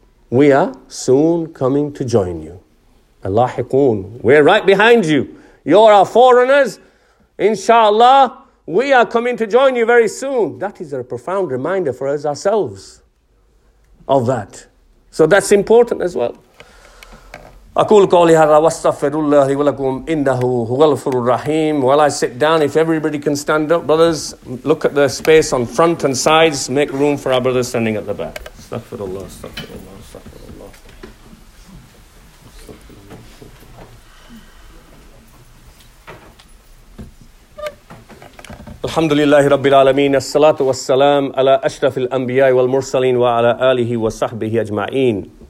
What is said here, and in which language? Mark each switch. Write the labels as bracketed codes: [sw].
[en] We are soon coming to join you. Allahiqoon, we're right behind you. You're our foreigners. Inshallah, we are coming to join you very soon. That is a profound reminder for us ourselves of that. So that's important as well. [ar] أقول قولي هذا واستغفر الله لي ولكم إنه هو الغفور الرحيم. [en] While I sit down, if everybody can stand up, brothers, look at the space on front and sides, make room for our brothers standing at the back. [ar] استغفر الله استغفر الله استغفر الله الحمد لله رب العالمين الصلاة والسلام على أشرف الأنبياء والمرسلين وعلى آله وصحبه أجمعين.